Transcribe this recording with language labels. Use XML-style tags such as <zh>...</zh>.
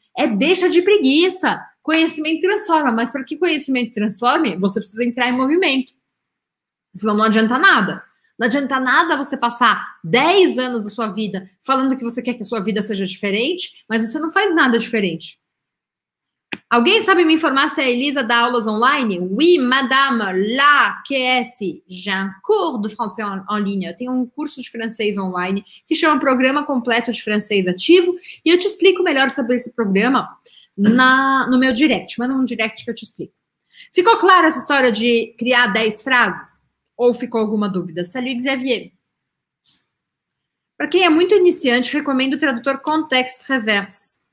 <pt>É deixa de preguiça. Conhecimento transforma. Mas para que conhecimento transforme, você precisa entrar em movimento. Senão não adianta nada. Não adianta nada você passar 10 anos da sua vida falando que você quer que a sua vida seja diferente, mas você não faz nada diferente. Alguém sabe me informar se a Elisa dá aulas online?</pt> <fr>Oui, madame, là, que est-ce? J'ai un cours de français en ligne.</fr> <pt>Eu tenho um curso de francês online que chama Programa Completo de Francês Ativo e eu te explico melhor sobre esse programa no meu direct. Manda um direct que eu te explico. Ficou clara essa história de criar 10 frases? Ou ficou alguma dúvida? Salut, Xavier. Para quem é muito iniciante, recomendo o tradutor Context Reverse.</pt>